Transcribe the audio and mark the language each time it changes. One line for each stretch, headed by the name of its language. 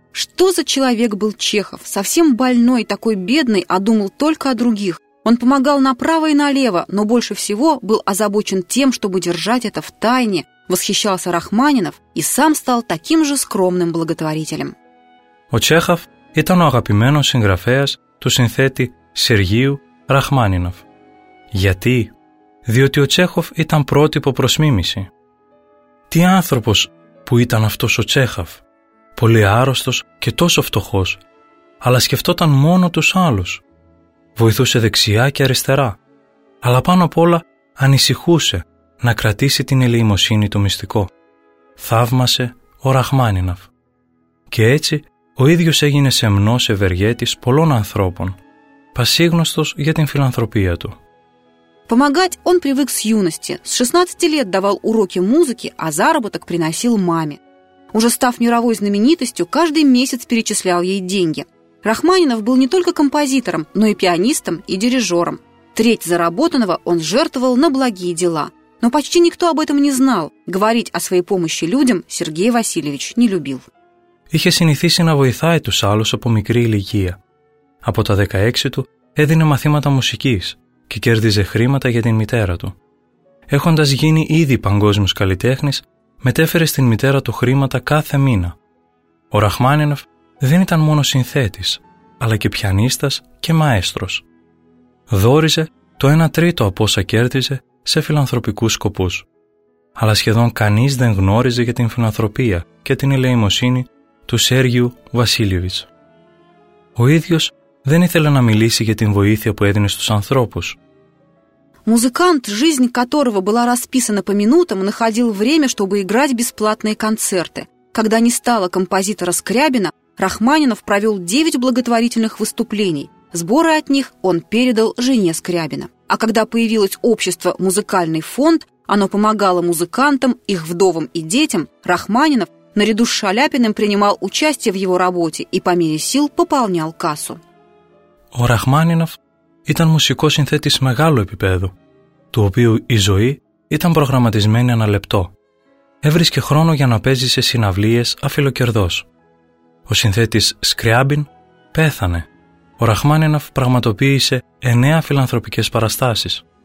Russian: Что за человек был Чехов? Совсем больной, такой бедный, а думал только о других. Он помогал направо и налево, но больше всего был озабочен тем, чтобы держать это в тайне. Восхищался Рахманинов и сам стал таким же скромным благотворителем.
Greek: О Чехов ήταν ο αγαπημένος συγγραφέας του συνθέτη Σεργίου Ραχμάνινοφ. Γιατί? Διότι ο Τσέχοφ ήταν πρότυπο προς μίμηση. Τι άνθρωπος που ήταν αυτός ο Τσέχοφ, πολύ άρρωστος και τόσο φτωχός, αλλά σκεφτόταν μόνο τους άλλους. Βοηθούσε δεξιά και αριστερά, αλλά πάνω απ' όλα ανησυχούσε να κρατήσει την ελεημοσύνη του μυστικό. Θαύμασε ο Ραχμάνινοφ. Και έτσι ο ίδιος έγινε σεμνός ευεργέτης πολλών ανθρώπων, πασίγνωστος για την φιλανθρωπία του.
Russian: Помогать он привык с юности. С 16 лет давал уроки музыки, а заработок приносил маме. Уже став мировой знаменитостью, каждый месяц перечислял ей деньги. Рахманинов был не только композитором, но и пианистом, и дирижером. Треть заработанного он жертвовал на благие дела. Но почти никто об этом не знал. Говорить о своей помощи людям Сергей Васильевич не любил.
Greek: Είχε συνηθίσει να βοηθάει τους άλλους από μικρή ηλικία. Από τα 16 του έδινε μαθήματα μουσικής και κέρδιζε χρήματα για την μητέρα του. Έχοντας γίνει ήδη παγκόσμιος καλλιτέχνης, μετέφερε στην μητέρα του χρήματα κάθε μήνα, Ο Ραχμάνινοφ δεν ήταν μόνο συνθέτης, αλλά και πιανίστας και μαέστρος. Δόριζε το 1/3 από όσα κέρδιζε σε φιλανθρωπικούς σκοπούς. Αλλά σχεδόν κανείς δεν γνώριζε για την φιλανθρωπία και την ελεημοσύνη του Σέργιου Βασίλιεβιτς. Ο ίδιος δεν ήθελε να μιλήσει για την βοήθεια που έδινε στους ανθρώπους.
Russian: Музыкант, жизнь которого была расписана по минутам, находил время, чтобы играть бесплатные концерты. Когда не стало композитора Скрябина, Рахманинов провел 9 благотворительных выступлений. Сборы от них он передал жене Скрябина. А когда появилось общество «Музыкальный фонд», оно помогало музыкантам, их вдовам и детям, Рахманинов, наряду с Шаляпиным, принимал участие в его работе и по мере сил пополнял кассу.
Greek: О Рахманинов... Ήταν μουσικός συνθέτης μεγάλου επίπεδου, του οποίου η ζωή ήταν προγραμματισμένη ένα λεπτό. Έβρισκε χρόνο για να παίζει σε συναυλίες αφιλοκερδός. Ο συνθέτης Σκριάμπιν πέθανε. Ο Ραχμάνινοφ πραγματοποίησε 9 φιλανθρωπικές παραστάσεις.